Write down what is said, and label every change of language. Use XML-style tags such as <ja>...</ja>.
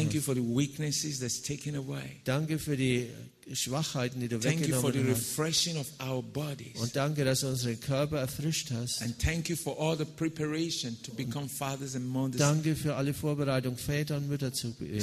<en>Thank you for the weaknesses that's taken away.</en> <de>Danke für die Schwachheiten, die du weggenommen hast.</de> <en>Thank you for the refreshing of our bodies.</en> <de>Und danke, dass du unseren Körper erfrischt hast.</de> <en>And thank you for all the preparation to become fathers and mothers.</en> <de>Danke für alle Vorbereitung, Väter und Mütter zu werden.</de>